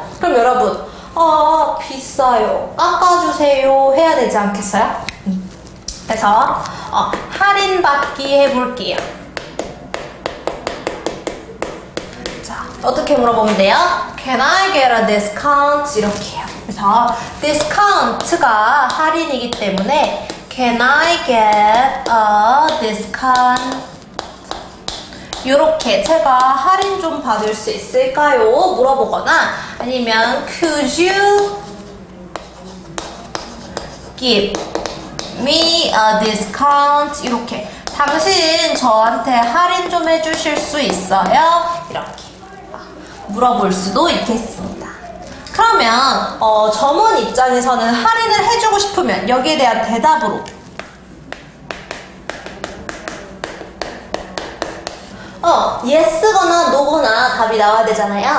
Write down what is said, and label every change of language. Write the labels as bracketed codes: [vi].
[ko] 그럼 여러분 비싸요, 깎아주세요 해야 되지 않겠어요? 그래서 할인받기 해볼게요. 자, 어떻게 물어보면 돼요? [en] Can I get a discount? [ko] 이렇게 해요. 그래서 discount가 할인이기 때문에 [en] Can I get a discount? [ko] 이렇게 제가 할인 좀 받을 수 있을까요? 물어보거나 아니면 [en] Could you give me a discount? [ko] 이렇게 당신 저한테 할인 좀 해주실 수 있어요? 이렇게 물어볼 수도 있겠습니다. 그러면 점원 입장에서는 할인을 해주고 싶으면 여기에 대한 대답으로 yes거나 no거나 답이 나와야 되잖아요.